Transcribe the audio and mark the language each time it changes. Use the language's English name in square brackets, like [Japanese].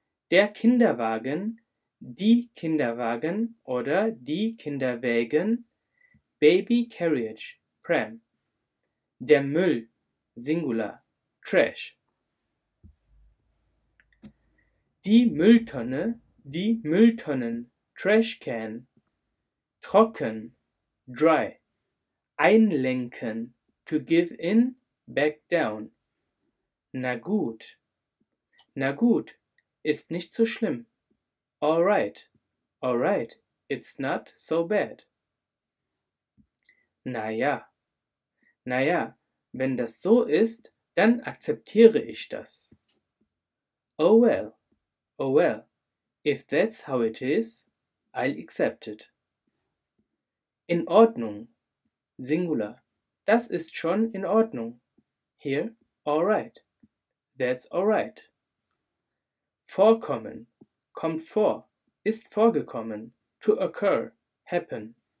[German] Der Kinderwagen, die Kinderwagen oder die Kinderwägen, [English] baby carriage, pram. [German] Der Müll, singular, trash. Die Mülltonne, die Mülltonnen, [English] trash can. [German] Trocken, dry. [English] Einlenken, to give in, back down. [German] Na gut. Na gut, ist nicht so schlimm. [English] All right. All right, it's not so bad. [German] Na ja. Na ja, wenn das so ist, dann akzeptiere ich das. [English] Oh well. Oh well, if that's how it is, I'll accept it. [German] In Ordnung, singular, das ist schon in Ordnung. [English] Here, all right, that's all right. [German] Vorkommen, kommt vor, ist vorgekommen, [English] to occur, happen.